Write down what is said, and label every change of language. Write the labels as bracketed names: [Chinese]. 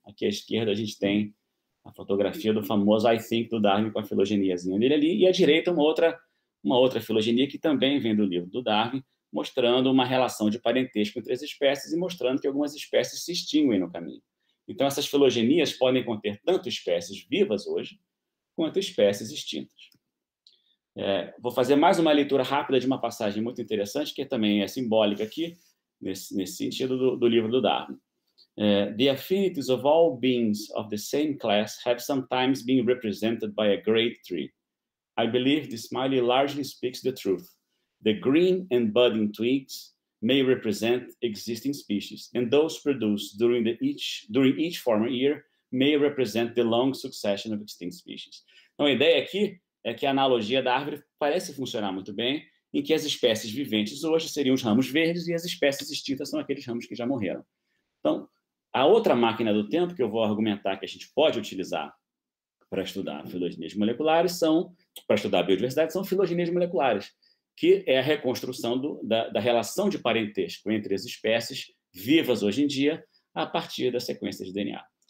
[Portuguese] Aqui à esquerda a gente tem a fotografia do famoso I Think do Darwin com a filogeniazinha dele ali, e à direita uma outra filogenia que também vem do livro do Darwin, mostrando uma relação de parentesco entre as espécies e mostrando que algumas espécies se extinguem no caminho. Então essas filogenias podem conter tanto espécies vivas hoje quanto espécies extintas. Vou fazer mais uma leitura rápida de uma passagem muito interessante, que também é simbólica aqui, nesse sentido, do livro do Darwin. [English] The affinities of all beings of the same class have sometimes been represented by a great tree. I believe this smiley largely speaks the truth. The green and budding twigs may represent existing species, and those produced during each former year may represent the long succession of extinct species. [Portuguese] Então, a ideia aqui é que a analogia da árvore parece funcionar muito bem, em que as espécies viventes hoje seriam os ramos verdes e as espécies extintas são aqueles ramos que já morreram. Então, a outra máquina do tempo que eu vou argumentar que a gente pode utilizar para estudar filogenias moleculares são filogenias moleculares, que é a reconstrução da relação de parentesco entre as espécies vivas hoje em dia a partir da sequência de DNA.